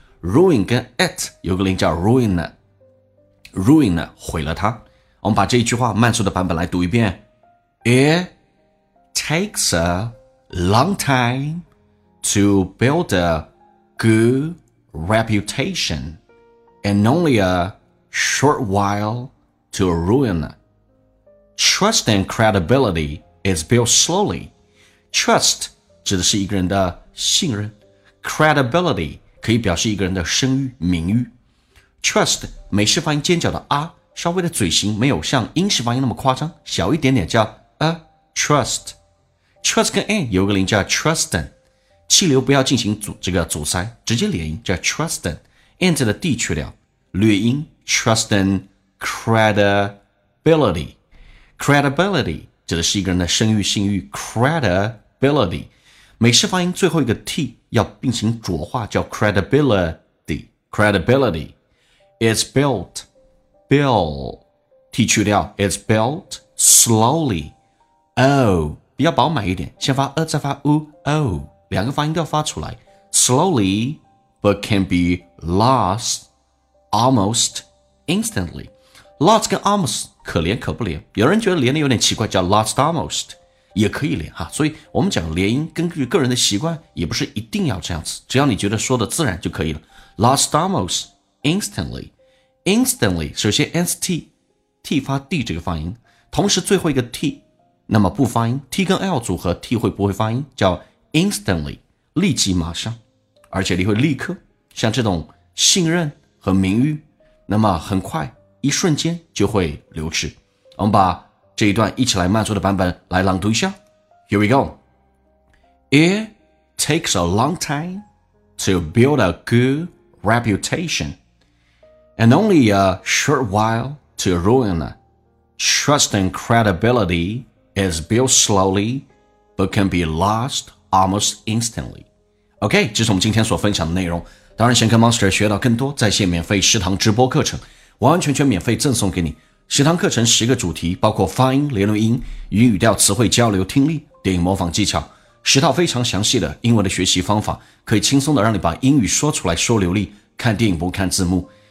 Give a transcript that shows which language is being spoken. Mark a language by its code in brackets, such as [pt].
[zh] Ruin 跟 it 有个零叫 ruin 呢 ，ruin 呢毁了它。我们把这一句话慢速的版本来读一遍 [en] ，It takes a long time to build a good reputation and only a short while to ruin it. Trust and credibility is built slowly. [zh] Trust 指的是一个人的信任， credibility 可以表示一个人的声誉名誉。 Trust 美式发音尖角的 R， 稍微的嘴型没有像英式发音那么夸张，小一点点叫 trustTrust 跟 N 有个连叫 Trusten， 气流不要进行阻塞，直接连音叫 Trusten， and 的 D 去掉，略音 Trusten credibility， credibility 指的是一个人的声誉信誉， credibility 美式发音最后一个 T 要并行浊化，叫 credibility [en] is built [zh] T 去掉， is built slowly比较饱满一点，先发 再发 u， 两个发音都要发出来， [en] slowly, but can be lost almost instantly. [zh] Lost 跟 almost 可连可不连，有人觉得连的有点奇怪，叫 lost almost 也可以连哈。所以我们讲连音，根据个人的习惯，也不是一定要这样子，只要你觉得说的自然就可以了。 [en] Lost almost instantly, [zh] instantly 首先 st t 发 d 这个发音，同时最后一个 t 那么不发音 t 跟 l 组合 t 会不会发音？叫 instantly 立即马上，而且你会立刻，像这种信任和名誉，那么很快。一瞬间就会流逝。我们把这一段一起来慢速的版本来朗读一下。 [en] Here we go. It takes a long time to build a good reputation, and only a short while to ruin it. Trust and credibility is built slowly, but can be lost almost instantly. [zh] OK, 这是我们今天所分享的内容。当然，想跟 Monster 学到更多在线免费食堂直播课程，完完全全免费赠送给你。食堂课程十个主题，包括发音、连读音、语音语调、词汇交流、听力、电影模仿技巧，十套非常详细的英文的学习方法，可以轻松的让你把英语说出来说流利，看电影不看字幕。